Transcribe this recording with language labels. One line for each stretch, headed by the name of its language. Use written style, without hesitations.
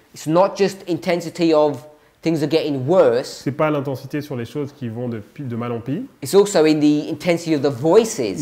English: it's not just intensity of things are getting worse.
French: C'est pas l'intensité sur les choses qui vont de mal en pis.
English: It's also in the intensity of the voices.